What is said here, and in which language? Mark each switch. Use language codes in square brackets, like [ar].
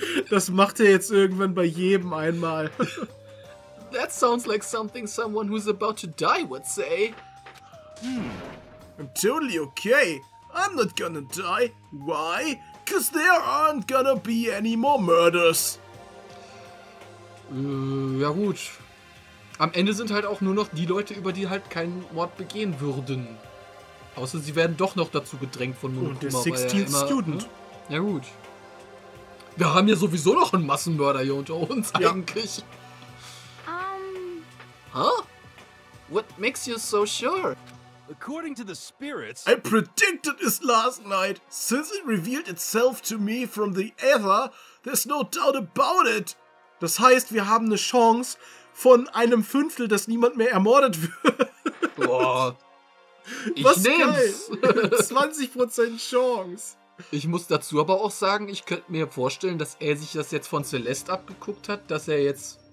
[de] Das macht er jetzt irgendwann bei jedem einmal. [en] That sounds like something someone who's about to die would say. I'm totally okay. I'm not gonna die. Why? Cause there aren't gonna be any more murders. [de] Ja gut. Am Ende sind halt auch nur noch die Leute, über die halt keinen Mord begehen würden. Außer sie werden doch noch dazu gedrängt von Monokuma. Und der [en] 16th [de] immer, [en] Student. [de] Ne? Ja gut. Wir haben ja sowieso noch einen Massenmörder hier unter uns eigentlich. [en] Huh? What makes you so sure? According to the spirits... I predicted this last night. Since it revealed itself to me from the ether, there's no doubt about it. [de] Das heißt, wir haben eine Chance von einem Fünftel, dass niemand mehr ermordet wird. Boah. Was ich nehm's. Geil. 20% Chance. Ich muss dazu aber auch sagen, ich könnte mir vorstellen, dass er sich das jetzt von Celeste abgeguckt hat, dass er jetzt...